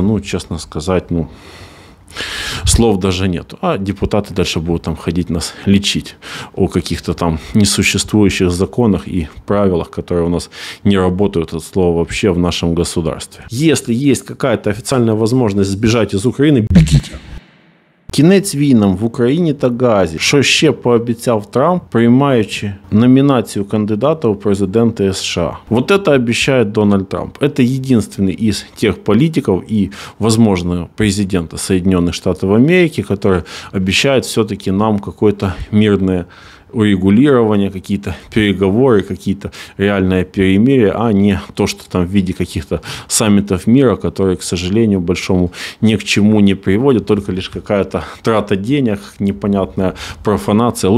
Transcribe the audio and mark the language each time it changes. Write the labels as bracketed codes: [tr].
[ru] Ну, честно сказать, ну, слов даже нет. А депутаты дальше будут там ходить нас лечить о каких-то там несуществующих законах и правилах, которые у нас не работают от слова вообще в нашем государстве. Если есть какая-то официальная возможность сбежать из Украины, бегите. [uk] Кінець війнам в Україні та Газі, що ще пообіцяв Трамп, приймаючи номінацію кандидата у президенти США. [ru] Вот это обещает Дональд Трамп. Это единственный из тех политиков и, возможно, президента Соединенных Штатов Америки, который обещает все-таки нам какое-то мирное урегулирование, какие-то переговоры, какие-то реальные перемирия, а не то, что там в виде каких-то саммитов мира, которые, к сожалению, большому ни к чему не приводят, только лишь какая-то трата денег, непонятная профанация.